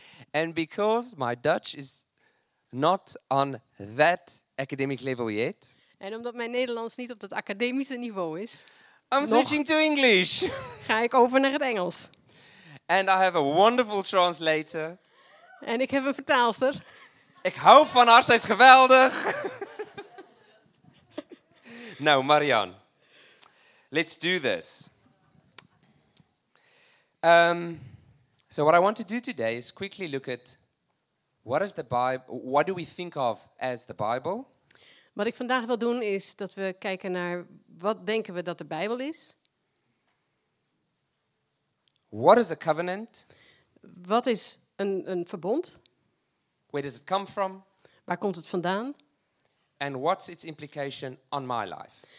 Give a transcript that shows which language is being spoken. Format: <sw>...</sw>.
<en>And because my Dutch is not on that academic level yet.</en> <nl>En omdat mijn Nederlands niet op dat academische niveau is.</nl> <en>I'm switching to English.</en> <nl>Ga ik over naar het Engels.</nl> <en>And I have a wonderful translator.</en> <nl>En ik heb een vertaalster. Ik hou van haar, zij is geweldig.</nl> <en>Nou, Marianne. Let's do this. So what I want to do today is quickly look at what is the Bible, what do we think of as the Bible?</en> <nl>Wat ik vandaag wil doen is dat we kijken naar wat denken we dat de Bijbel is.</nl> <en>What is a covenant?</en> <nl>Wat is een verbond?</nl> <en>Where does it come from?</en> <nl>Waar komt het vandaan?</nl> <en>And what's its implication on my life?</en>